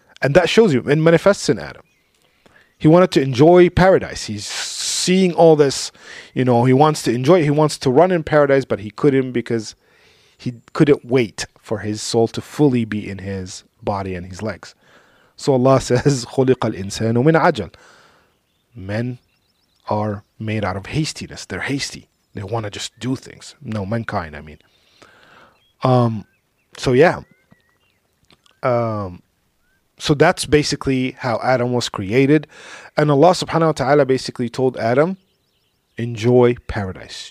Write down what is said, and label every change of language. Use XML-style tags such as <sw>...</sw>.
<en>And that shows you, and manifests in Adam. He wanted to enjoy paradise. He's seeing all this, he wants to enjoy it. He wants to run in paradise, but he couldn't because he couldn't wait for his soul to fully be in his body and his legs. So Allah says,</en> <ar>خُلِقَ الْإِنسَانُ مِنْ عَجَلٍ.</ar> <en>Men are made out of hastiness. They're hasty. They want to just do things. No, mankind, I mean. So that's basically how Adam was created. And Allah subhanahu wa ta'ala basically told Adam, enjoy paradise.</en>